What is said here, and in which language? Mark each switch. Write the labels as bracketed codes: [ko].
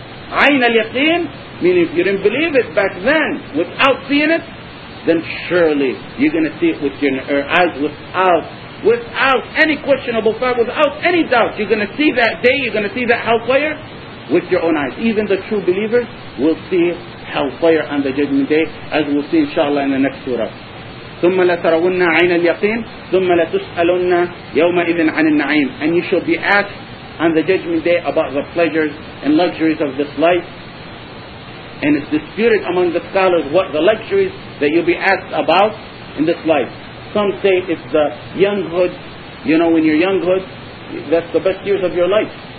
[en] عين اليقين meaning if you didn't believe it back then without seeing it, then surely you're going to see it with your eyes without any questionable fact, without any doubt. You're going to see that day, you're going to see that hellfire with your own eyes. Even the true believers will see hellfire on the judgment day, as we'll see inshallah in the next surah. [ar] ثم لترون عين اليقين ثم لتسألن يومئذ عن النعيم. [en] And you shall be asked on the judgment day about the pleasures and luxuries of this life. And it's disputed among the scholars what the luxuries that you'll be asked about in this life. Some say it's the younghood. You know, when you're younghood, that's the best years of your life.